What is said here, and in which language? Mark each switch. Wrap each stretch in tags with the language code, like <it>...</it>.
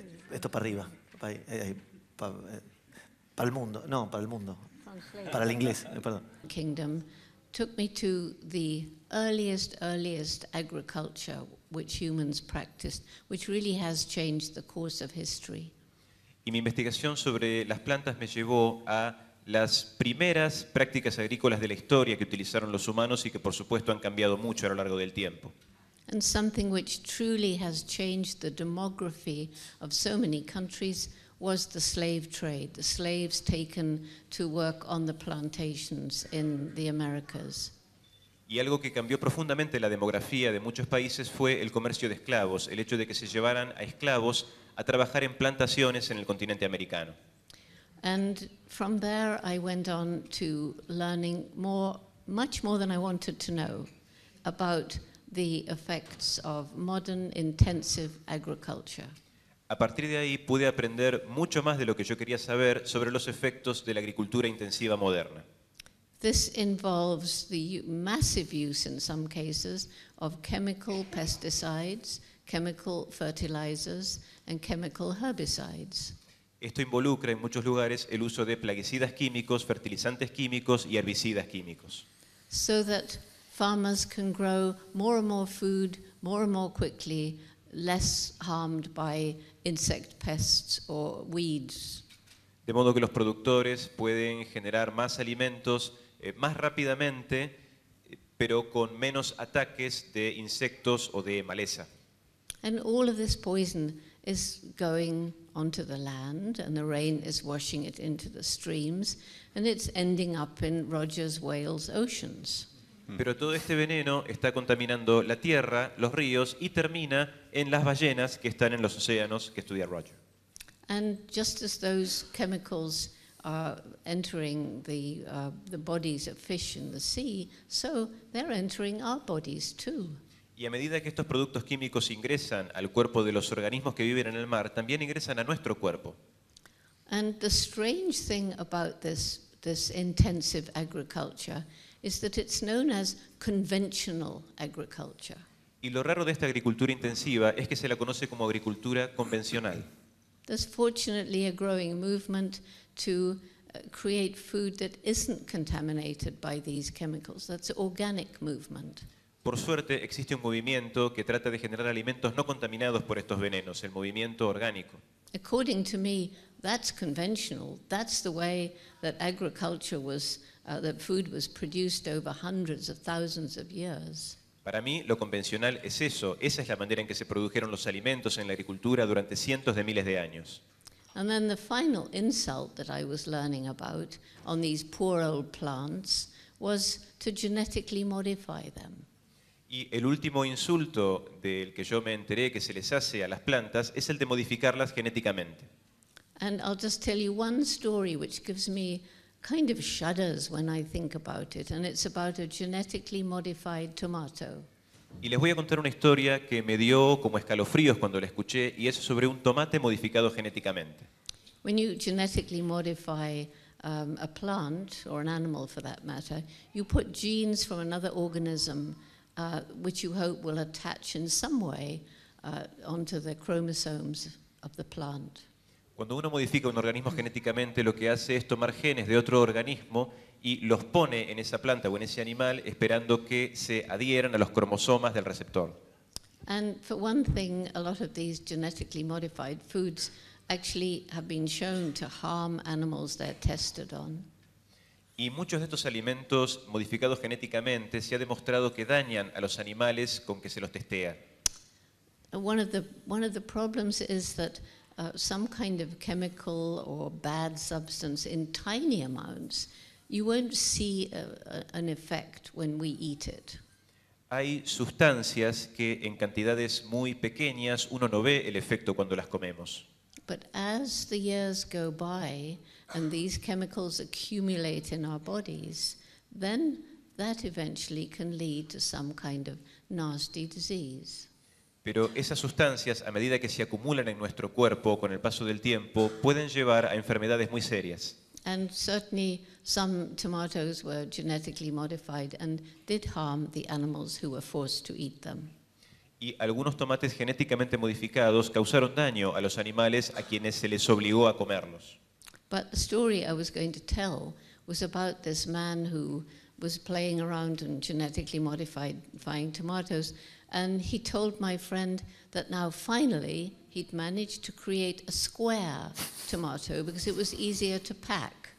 <es>Esto para arriba, para el mundo, para el inglés, perdón.</es> <en>Kingdom took me to the earliest agriculture which humans practiced, which really has changed the course of history.</en> <es>Y mi investigación sobre las plantas me llevó a las primeras prácticas agrícolas de la historia que utilizaron los humanos y que por supuesto han cambiado mucho a lo largo del tiempo.</es> <en>And something which truly has changed the demography of so many countries was the slave trade, the slaves taken to work on the plantations in the Americas.</en> <es>Y algo que cambió profundamente la demografía de muchos países fue el comercio de esclavos, el hecho de que se llevaran a esclavos a trabajar en plantaciones en el continente americano.</es> <en>And from there I went on to learning more, much more than I wanted to know, about the effects of modern intensive agriculture.</en> <es>A partir de ahí pude aprender mucho más de lo que yo quería saber sobre los efectos de la agricultura intensiva moderna.</es> <en>This involves the massive use in some cases of chemical pesticides, chemical fertilizers and chemical herbicides.</en> <es>Esto involucra en muchos lugares el uso de plaguicidas químicos, fertilizantes químicos y herbicidas químicos.</es> <en>So that farmers can grow more and more food more and more quickly, less harmed by insect pests or weeds.</en> <es>De modo que los productores pueden generar más alimentos más rápidamente, pero con menos ataques de insectos o de maleza.</es> <en>And all of this poison is going onto the land, and the rain is washing it into the streams, and it's ending up in Rogers Wales oceans.</en> <es>Pero todo este veneno está contaminando la tierra, los ríos, y termina en las ballenas que están en los océanos que estudia Roger.</es> <en>And just as those chemicals are entering the bodies of fish in the sea, so they're entering our bodies too.</en> <es>Y a medida que estos productos químicos ingresan al cuerpo de los organismos que viven en el mar, también ingresan a nuestro cuerpo.</es> <en>And the strange thing about this intensive agriculture is that it's known as conventional agriculture.</en> <es>Y lo raro de esta agricultura intensiva es que se la conoce como agricultura convencional.</es> <en>There's fortunately a growing movement to create food that isn't contaminated by these chemicals. That's an organic movement.</en> <es>Por suerte existe un movimiento que trata de generar alimentos no contaminados por estos venenos, el movimiento orgánico.</es> <en>According to me, that's conventional. That's the way that agriculture was, that food was produced over hundreds of thousands of years.</en> <es>Para mí, lo convencional es eso. Esa es la manera en que se produjeron los alimentos en la agricultura durante cientos de miles de años.</es> <en>And then the final insult that I was learning about on these poor old plants was to genetically modify them.</en> <es>Y el último insulto del que yo me enteré que se les hace a las plantas es el de modificarlas genéticamente.</es> <en>And I'll just tell you one story which gives me kind of shudders when I think about it, and it's about a genetically modified tomato.</en> <es>Y les voy a contar una historia que me dio como escalofríos cuando la escuché, y es sobre un tomate modificado genéticamente.</es> <en>When you genetically modify a plant or an animal for that matter, you put genes from another organism which you hope will attach in some way onto the chromosomes of the plant.</en> <es>Cuando uno modifica un organismo genéticamente, lo que hace es tomar genes de otro organismo y los pone en esa planta o en ese animal esperando que se adhieran a los cromosomas del receptor.</es> <en>And for one thing, a lot of these genetically modified foods actually have been shown to harm animals they're tested on.</en> <es>Y muchos de estos alimentos modificados genéticamente se ha demostrado que dañan a los animales con que se los testea.</es> <en>One of the problems is that some kind of chemical or bad substance in tiny amounts, you won't see an effect when we eat it.</en> <es>Hay sustancias que en cantidades muy pequeñas uno no ve el efecto cuando las comemos.</es> <en>But as the years go by and these chemicals accumulate in our bodies, then that eventually can lead to some kind of nasty disease.</en> <es>Pero esas sustancias, a medida que se acumulan en nuestro cuerpo con el paso del tiempo, pueden llevar a enfermedades muy serias.</es> <en>And certainly some tomatoes were genetically modified and did harm the animals who were forced to eat them.</en> <es>Y algunos tomates genéticamente modificados causaron daño a los animales a quienes se les obligó a comerlos.</es> <en>But the story I was going to tell was about this man who was playing around and genetically modifying tomatoes, and he told my friend that now finally he'd managed to create a square tomato because it was easier to pack.</en>